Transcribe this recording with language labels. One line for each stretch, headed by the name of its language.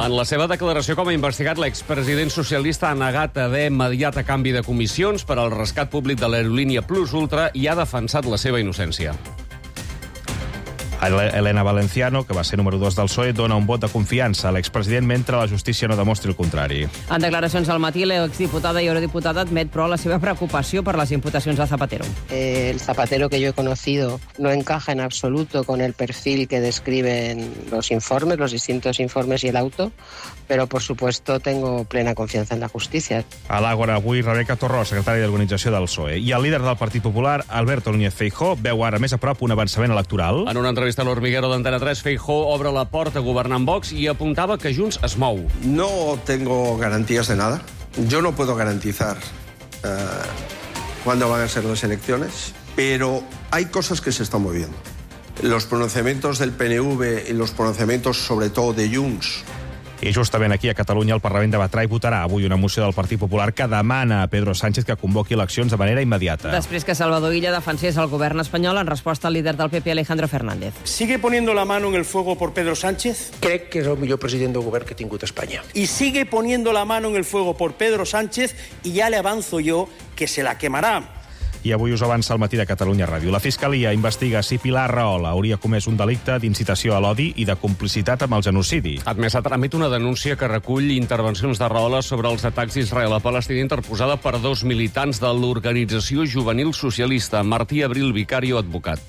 Catalan: En la seva declaració com a investigat, l'expresident socialista ha negat haver mediat a canvi de comissions per al rescat públic de l'aerolínia Plus Ultra i ha defensat la seva innocència. Elena Valenciano, que va ser número 2 del PSOE, dona un vot de confiança a l'expresident mentre la justícia no demostri el contrari. En declaracions al matí, l'exdiputada i eurodiputada admet, però, la seva preocupació per les imputacions de Zapatero.
Spanish: El Zapatero que yo he conocido no encaja en absoluto con el perfil que describen los informes, los distintos informes y el auto, pero, por supuesto, tengo plena confianza en la justicia.
Catalan: A l'Àgora, avui, Rebeca Torró, secretària d'Organització del PSOE. I el líder del Partit Popular, Alberto Núñez Feijóo, veu ara més a prop un avançament electoral. En una entrevista a l'Hormiguero d'Antena 3, Feijóo obre la porta a governar amb Vox i apuntava que Junts es mou.
Spanish: No tengo garantías de nada. Yo no puedo garantizar cuándo van a ser las elecciones, pero hay cosas que se están moviendo. Los pronunciamientos del PNV y los pronunciamientos, sobre todo, de Junts.
Catalan: I justament aquí, a Catalunya, el Parlament debatrà i votarà avui una moció del Partit Popular que demana a Pedro Sánchez que convoqui eleccions de manera immediata. Després que Salvador Illa defensés el govern espanyol en resposta al líder del PP, Alejandro Fernández.
Spanish: ¿Sigue poniendo la mano en el fuego por Pedro Sánchez?
Catalan: Crec que és el millor president del govern que ha tingut Espanya.
Spanish: Y sigue poniendo la mano en el fuego por Pedro Sánchez y ya le avanzo yo que se la quemará.
Catalan: I avui us avança el matí de Catalunya Ràdio. La Fiscalia investiga si Pilar Rahola hauria comès un delicte d'incitació a l'odi i de complicitat amb el genocidi. Admès a tràmit una denúncia que recull intervencions de Rahola sobre els atacs d'Israel a Palestina interposada per dos militants de l'organització juvenil socialista, Martí Abril Vicario, advocat.